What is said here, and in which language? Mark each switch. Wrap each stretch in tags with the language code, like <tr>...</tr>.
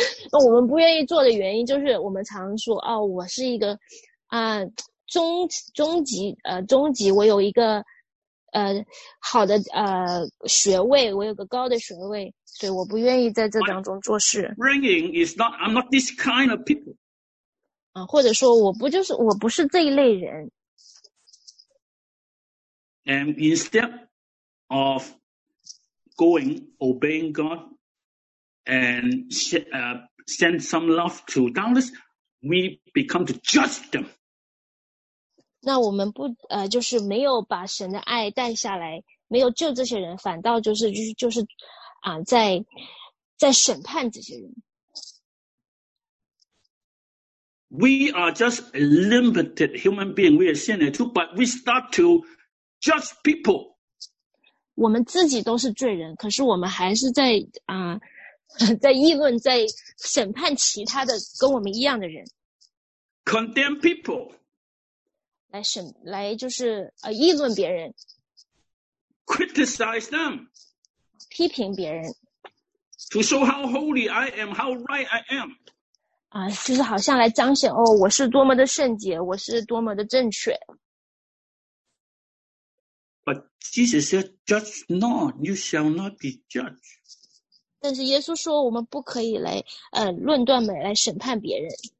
<zh>那我们不愿意做的原因就是我们常说啊、哦，我是一个中级，我有一个好的学位，我有个高的学位，所以我不愿意在这当中做事。</zh> <en>Bringing is not, I'm not this kind of people.</en> <zh>啊，或者说我不是这一类人。</zh> <en>And instead of going obeying God and send some love to downers, we become to judge them.</en> <zh>那我们不就是没有把神的爱带下来，没有救这些人，反倒就是啊、在审判这些人。</zh> <en>We are just a limited human being. We are sinners too, but we start to judge people.</en> <zh>我们自己都是罪人，可是我们还是在在议论，在审判其他的跟我们一样的人。</zh> <en>Condemn people.</en> <zh>来就是议论别人</zh> <en>，criticize them，</en> <zh>批评别人</zh> <en>，to show how holy I am, how right I am，</en> <zh>啊，就是好像来彰显哦，我是多么的圣洁，我是多么的正确。</zh> <en>But Jesus said, "Judge not, you shall not be judged."</en> <zh>但是耶稣说，我们不可以来论断美，来审判别人。</zh>